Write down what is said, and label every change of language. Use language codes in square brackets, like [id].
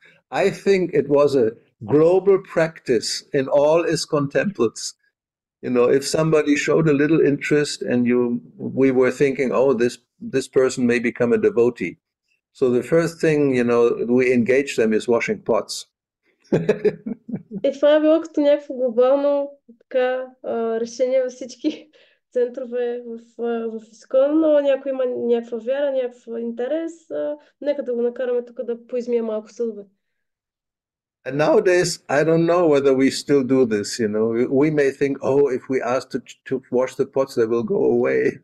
[en] I think it was a global practice in all ISKCON temples. You know, if somebody showed a little interest and we were thinking, oh, this person may become a devotee. So the first thing, you know, we engage them is washing pots. [bg] И това е било като някакво глобално решение във всички центрове в ИСКОН, но някой има някаква вяра, някакъв интерес, нека да го накараме тук да поизмия малко съдове. [en] And nowadays, I don't know whether we still do this, you know. We may think, oh, if we ask to wash the pots, they will go away.